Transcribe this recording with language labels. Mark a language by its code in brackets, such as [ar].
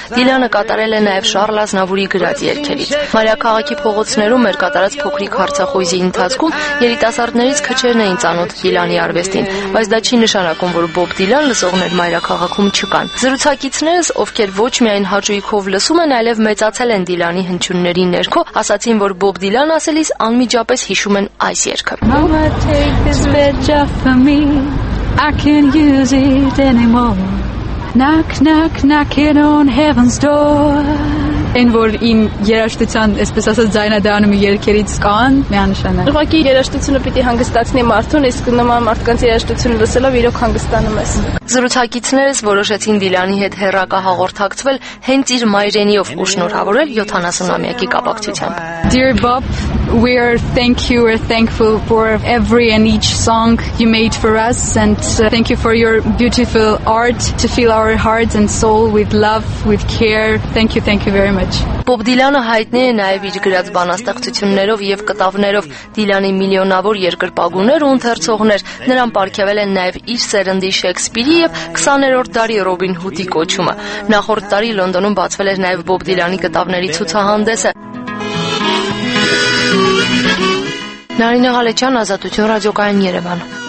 [hy] Dylan-ը կատարել է նաև Շառլ Ազնավուրի գրած երգերից։ Մարիաքաղաքի փողոցներում մեր կատարած փոքրիկ հարցախույզի ընթացքում երիտասարդներից քչերն էին ծանոթ Dylan-ի արվեստին, բայց դա չի նշանակում, որ Bob Dylan-ը լսողներ մայրաքաղաքում չկան։ Զրուցակիցներս, ովքեր ոչ միայն հաճույքով լսում են, այլև մեծացել են Dylan-ի հնչյունների ներքո, ասացին, որ Bob Dylan-ն ասելիս անմիջապես հիշում են այս երգը։ [en] Knock, knock, knocking on heaven's door. [hy] Այն որ իմ երաժշտության, այսպես ասած, ձայնադառնում երկերից կան, միանշանակ։ Ուղղակի երաժշտությունը պիտի հանգստացնի մարդուն, իսկ նման մարդկանց երաժշտությունը լսելով իրոք հանգստանում ես։ Զրուցակիցներս որոշեցին Dylan-ի հետ հերակա հաղորդակցվել հենց իր մայրենիով ու շնորհավորել 70-ամյակի կապակցությամբ։ [en] Dear Bob, we are thank you, we are thankful for every and each song you made for us, and thank you for your beautiful art to fill our hearts and soul with love, with care. Thank you very much. [hy] Bob Dylan-ը հայտնի է նաև իր գրած բանաստեղծություններով եւ կտավներով։ Dylan-ի միլիոնավոր երկրպագուներ ու ընթերցողներ նրան պարգևել են նաև իր սերնդի Շեքսպիրի եւ 20-րդ դարի Ռոբին Հուդի կոչումը։ Նախորդ տարի Լոնդոնում բացվել էր նաև Bob Dylan-ի կտավների ցուցահանդեսը։ Նարինե Ղալիչյան, Ազատություն ռադիոկայան, Երևան։